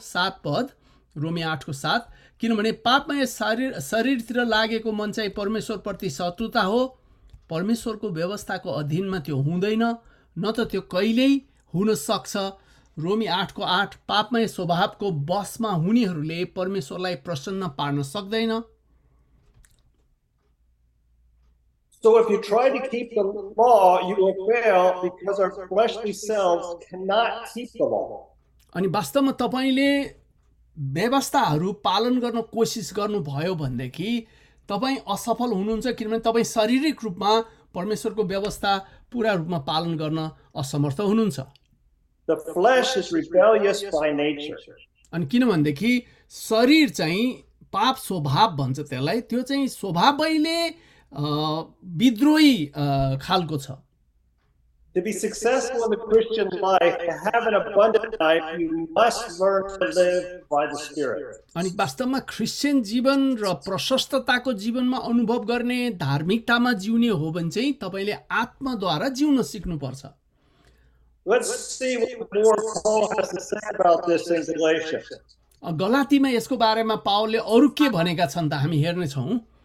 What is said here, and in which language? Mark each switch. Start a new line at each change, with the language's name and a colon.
Nepali: 7, रोमी 8:7, किनभने पापमय शरीरतिर लागेको मन चाहिँ परमेश्वरप्रति शत्रुता हो, परमेश्वरको व्यवस्थाको अधीनमा त्यो हुँदैन न त त्यो कहिल्यै हुन सक्छ। रोमी 8:8, पापमय स्वभावको बसमा हुनेहरूले परमेश्वरलाई प्रसन्न पार्न सक्दैन।
English: So if you try to keep the law, you will fail because our fleshly selves cannot keep the law.
Nepali: अनि वास्तवमा तपाईँले व्यवस्थाहरू पालन गर्न कोसिस गर्नुभयो भनेदेखि तपाईँ असफल हुनुहुन्छ, किनभने तपाईँ शारीरिक रूपमा परमेश्वरको व्यवस्था पूरा रूपमा पालन गर्न असमर्थ हुनुहुन्छ।
English: The flesh is rebellious by nature.
Nepali: अनि किनभनेदेखि शरीर चाहिँ पाप स्वभाव भन्छ त्यसलाई, त्यो चाहिँ स्वभावैले विद्रोही खालको छ।
English: To be successful in the Christian life, to have an abundant life, you must learn to live by the Spirit.
Nepali: अनि वास्तवमा क्रिस्चियन जीवन र प्रशस्तताको जीवनमा अनुभव गर्ने, धार्मिकतामा जिउने हो भने चाहिँ तपाईँले आत्माद्वारा जिउन सिक्नुपर्छ।
English: Let's see what more Paul has to say about this in Galatians.
Nepali: गलातीमा यसको बारेमा पावलले अरु के भनेका छन् त हामी हेर्ने छौं।